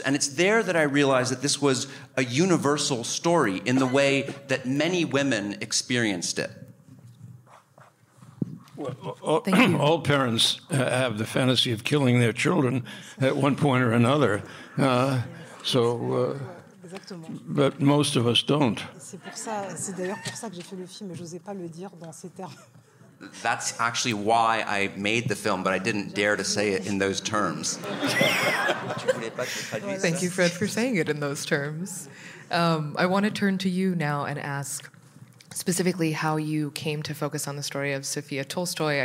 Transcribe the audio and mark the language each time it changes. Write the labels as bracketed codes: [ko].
[en] And it's there that I realized that this was a universal story in the way that many women experienced it. All parents have the fantasy of killing their children at one point or another. But most of us don't. [fr] C'est d'ailleurs pour ça que j'ai fait le film et j'osais pas le dire dans ces termes. [en] That's actually why I made the film, but I didn't dare to say it in those terms. Thank you, Fred, for saying it in those terms. I want to turn to you now and ask specifically how you came to focus on the story of Sofia Tolstoy.